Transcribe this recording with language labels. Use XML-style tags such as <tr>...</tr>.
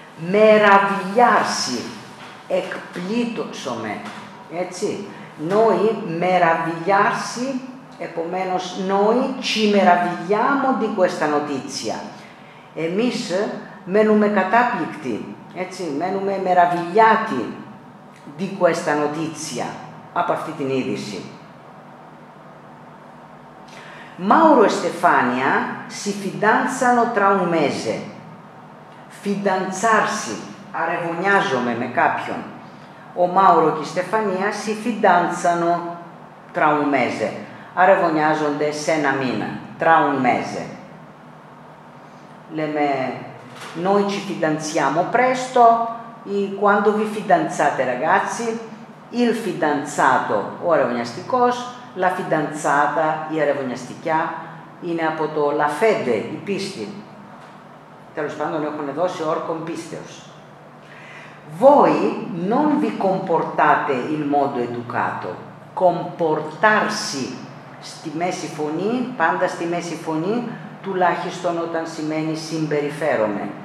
<el>Meravigliarsi, εκπλήττωσομαι, έτσι.</el> <it>Noi meravigliarsi,</it> <el>επομένως</el> <it>noi ci meravigliamo di questa notizia.</it> <el>Εμείς μένουμε κατάπληκτοι, έτσι, μένουμε</el> <it>meravigliati di questa notizia,</it> <el>από αυτή την είδηση.</el> <it>Mauro e Stefania si fidanzano tra un mese.</it> <el>Fidanzarsi, αρεβωνιάζομαι με κάποιον. Ο Μάουρο και η Στεφανία</el> <it>si fidanzano tra un mese.</it> <el>Αρεβωνιάζονται σε ένα μήνα.</el> <it>Tra un mese.</it> <el>Λέμε,</el> <it>noi ci fidanziamo presto. Ή, quando vi fidanzate, ragazzi, il fidanzato,</it> <el>ο αρεβωνιαστικός,</el> <it>La Fidanzata,</it> <el>η Ερευνηστικιά, είναι από το</el> <it>La Fede,</it> <el>η πίστη. Τέλος πάντων, έχουν δώσει όρκον πίστεως.</el> <it>Voi non vi comportate in modo educato.</it> <el>Comportarsi, στη μέση φωνή, πάντα στη μέση φωνή, τουλάχιστον όταν σημαίνει συμπεριφέρομαι.</el>